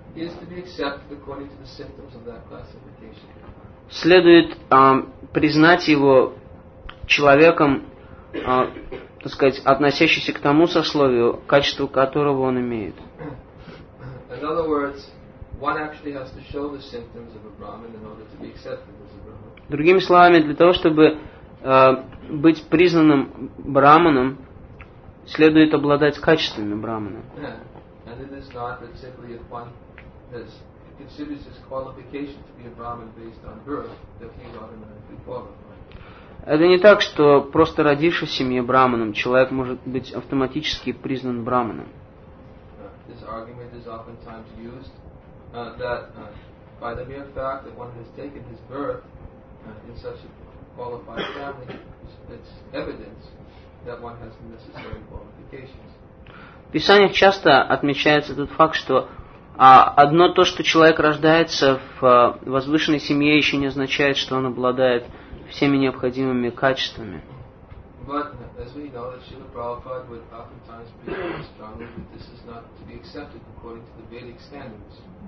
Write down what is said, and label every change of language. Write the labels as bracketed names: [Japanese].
[English] he is to be accepted according to the symptoms of that classification. [Russian] Следует признать его человеком, так сказать, относящийся к тому сословию, качество которого он имеет. [English] In other words, one actually has to show the symptoms of a Brahman in order to be accepted as a Brahman. [Russian] Другими словами, для того, чтобы быть признанным Брахманом, следует обладать качествами Брахмана. [English] Yeah. And it is not that simply if one has considers his qualification to be a Brahman based on birth, that he's automatically qualified. [Russian] Это не так, что просто родившись в семье брахманом, человек может быть автоматически признан брахманом. [English] This argument is oftentimes used that by the mere fact that one has taken his birth in such a qualified family, it's evidence that one has the necessary qualifications. [Russian] В писаниях часто отмечается тот факт, что одно то, что человек рождается в возвышенной семье, еще не означает, что он обладает всеми необходимыми качествами. [English] But, as we know, that Srila Prabhupada would oftentimes be strongly that this is not to be accepted according to the Vedic standards.